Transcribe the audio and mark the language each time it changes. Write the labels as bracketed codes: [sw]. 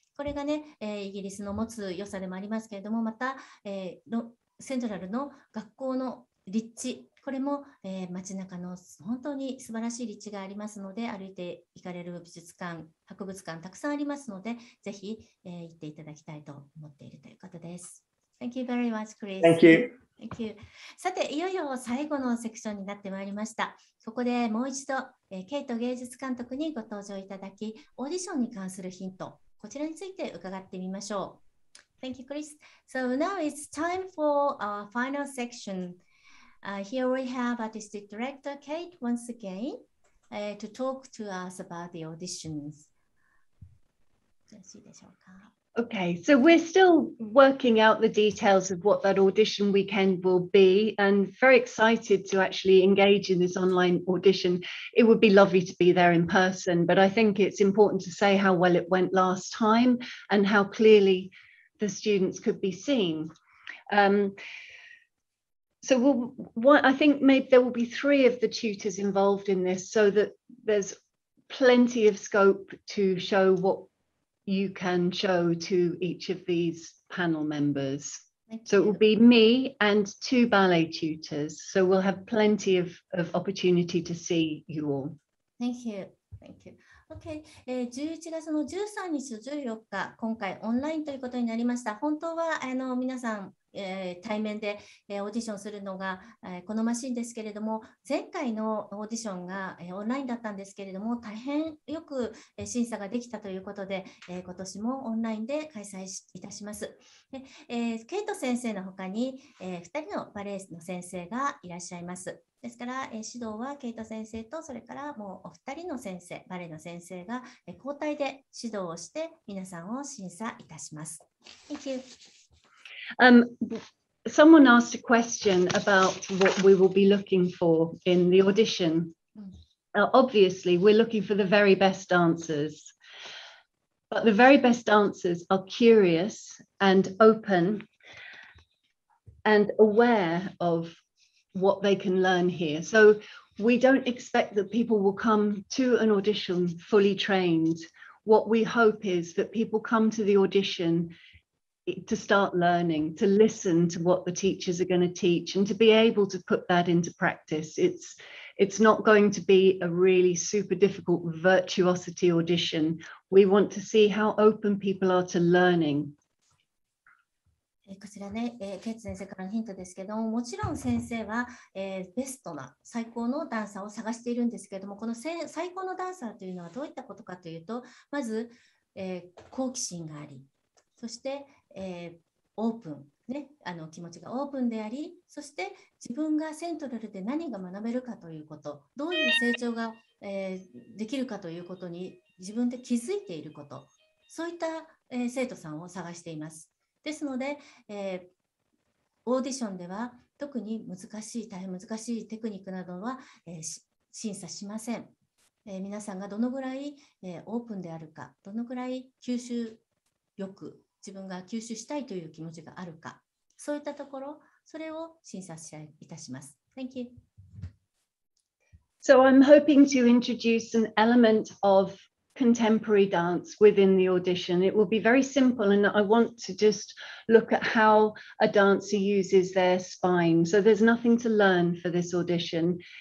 [ja] これがね、イギリスの持つ良さでもありますけれども、また、セントラルの学校の立地、これも、街中の本当に素晴らしい立地がありますので、歩いて行かれる美術館、博物館、たくさんありますので、ぜひ、行っていただきたいと思っているということです。 [en] Thank you very much, Chris. Thank you. Thank you. [ja] さて、いよいよ最後のセクションになってまいりました。ここでもう一度、ケイト芸術監督にご登場いただき、オーディションに関するヒント、こちらについて伺ってみましょう。 [en] Thank you, Chris. So now it's time for our final section. Here we have artistic director Kate once again、to talk to us about the auditions. [ja] よろしいでしょうか。 [en] Okay, so we're still working out the details of what that audition weekend will be and very excited to actually engage in this online audition. It would be lovely to be there in person, but I think it's important to say how well it went last time and how clearly the students could be seen. I think maybe there will be three of the tutors involved in this so that there's plenty of scope to show whatyou can show to each of these panel members. So it will be me and two ballet tutors. So we'll have plenty of opportunity to see you all. Thank you. Thank you. Okay. [ja] 11月の13日と14日、今回オンラインということになりました。本当は皆さん、対面で、オーディションするのが、好ましいんですけれども、前回のオーディションが、オンラインだったんですけれども、大変よく、審査ができたということで、今年もオンラインで開催いたします。ケイト先生の他に、2人のバレエの先生がいらっしゃいます。ですから、指導はケイト先生と、それからもうお二人の先生、バレエの先生が、交代で指導をして、皆さんを審査いたします。 [en] Thank you. Someone asked a question about what we will be looking for in the audition.、Obviously, we're looking for the very best dancers. But the very best dancers are curious and open and aware of what they can learn here. So we don't expect that people will come to an audition fully trained. What we hope is that people come to the audition to start learning, to listen to what the teachers are going to teach, and to be able to put that into practice. It's not going to be a really super difficult virtuosity audition. We want to see how open people are to learning. [ja] こちらね、ケイツ先生からのヒントですけども、もちろん先生は、ベストな最高のダンサーを探しているんですけども、この最高のダンサーというのはどういったことかというと、まず、好奇心があり、そして、オープン、ね、気持ちがオープンであり、そして自分がセントラルで何が学べるかということ、どういう成長が、できるかということに自分で気づいていること、そういった、生徒さんを探しています。ですので、オーディションでは特に難しい、大変難しいテクニックなどは、審査しません、皆さんがどのぐらい、オープンであるか、どのぐらい吸収よく、自分が吸収したいという気持ちがあるか、そういったところ、それを審査いたします。 [en] Thank you. So I'm hoping to introduce an element of contemporary dance within the audition. It will be very simple, and I want to just look at how a dancer uses their spine. So there's nothing to learn for this audition.